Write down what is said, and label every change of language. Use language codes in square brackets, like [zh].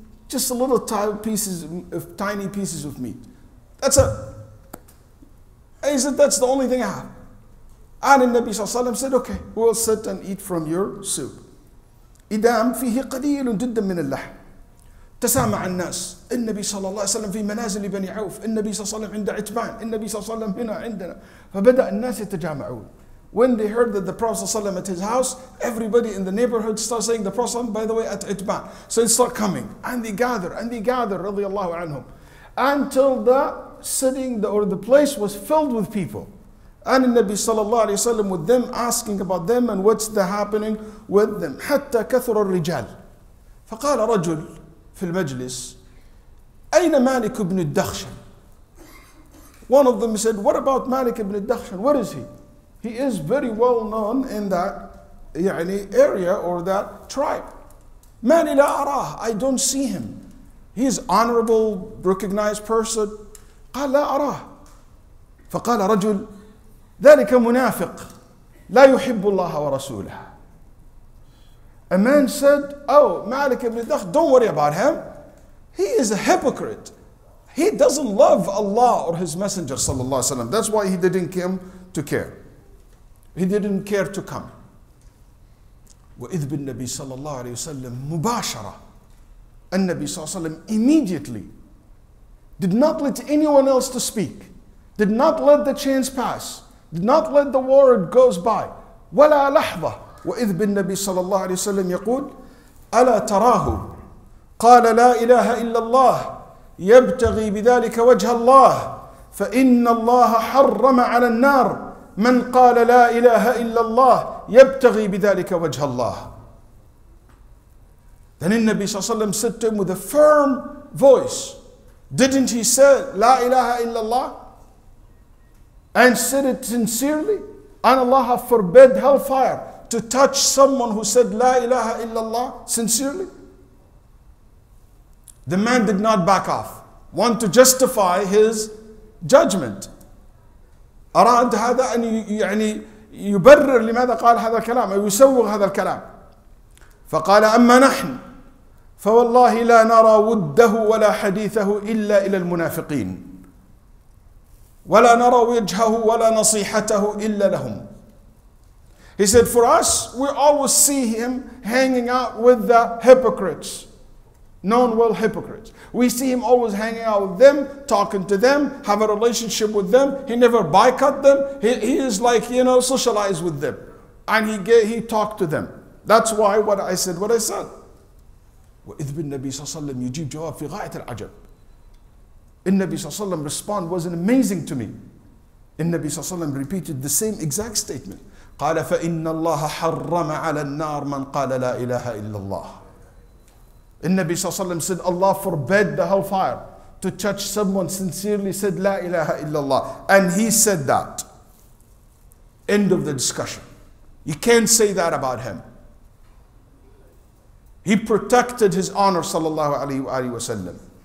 [en] Just a little tiny pieces of meat. That's it. He said, that's the only thing I have. And the Nabi Sallallahu Alaihi Wasallam said, okay, we'll sit and eat from your soup. [ar] إدام فيه قليل جدا من اللحم. تسامع الناس. النبي صلى الله عليه وسلم في منازل بني عوف. النبي صلى الله عليه وسلم عند عتبان. النبي صلى الله عليه وسلم هنا عندنا. فبدأ الناس يتجامعون. [en] When they heard that the Prophet [ar] صلى الله عليه وسلم [en] at his house, everybody in the neighborhood start saying, the Prophet صلى الله عليه وسلم, by the way, at عتبان. So they start coming. And they gather, [ar] رضي الله عنهم. [en] Until the sitting, or the place was filled with people. And the Nabi sallallahu alayhi wa sallam with them, asking about them and what's the happening with them. [ar] حَتَّى كَثُرَ الرِّجَالِ فَقَالَ رَجُلْ فِي الْمَجْلِسِ أَيْنَ مَالِكُ بْنُ الدَّخْشَنِ. [en] One of them said, what about Malik ibn al-Dakhshan? Where is he? He is very well known in that يعني, area or that tribe. [ar] مَالِ لَا أَرَاهُ. [en] I don't see him. He is honorable, recognized person. [ar] قَالَ لَا أَرَاهُ. فَقَالَ رَجُلْ ذلك منافق لا يحب الله ورسوله. [en] A man said, oh, Malik ibn Dakh, don't worry about him. He is a hypocrite. He doesn't love Allah or his messenger, sallallahu alayhi wa sallam. That's why he didn't come to care. He didn't care to come. [ar] وإذ بالنبي صلى الله عليه وسلم مباشرة. النبي صلى الله عليه وسلم [en] immediately did not let anyone else to speak. Did not let the chance pass. Did not let the word goes by. [ar] ولا لحظة. وإذ بالنبي صلى الله عليه وسلم يقول ألا تراه قال لا إله إلا الله يبتغي بذلك وجه الله فإن الله حرم على النار من قال لا إله إلا الله يبتغي بذلك وجه الله. [en] Then the Nabi [ar] صلى الله عليه وسلم [en] said to him with a firm voice, didn't he say [ar] لا إله إلا الله? [en] And said it sincerely, and Allah have forbid hellfire to touch someone who said La ilaha illallah sincerely. The man did not back off, want to justify his judgment. [ar] أراد هذا أن يعني يبرر لماذا قال هذا الكلام أو يسوغ هذا الكلام. فقال أما نحن فوالله لا نرى وده ولا حديثه إلا إلى المنافقين. وَلَا نَرَى وَجْهَهُ وَلَا نَصِيحَتَهُ إِلَّا لَهُمْ. [en] He said, for us, we always see him hanging out with the hypocrites, known well hypocrites. We see him always hanging out with them, talking to them, have a relationship with them. He never boycott them. He is like, you know, socialize with them. And he talked to them. That's why what I said. [ar] وإذب النبي صلى الله عليه وسلم يجيب جواب في غاية العجب. النبي صلى الله عليه وسلم [en] respond was amazing to me. النبي صلى الله عليه وسلم repeated the same exact statement. [ar] قال فإن الله حرم على النار من قال لا إله إلا الله. النبي صلى الله عليه وسلم [en] said Allah forbid the hellfire to touch someone sincerely said [ar] لا إله إلا الله. [en] And he said that. End of the discussion. You can't say that about him. He protected his honor sallallahu alayhi wa sallam.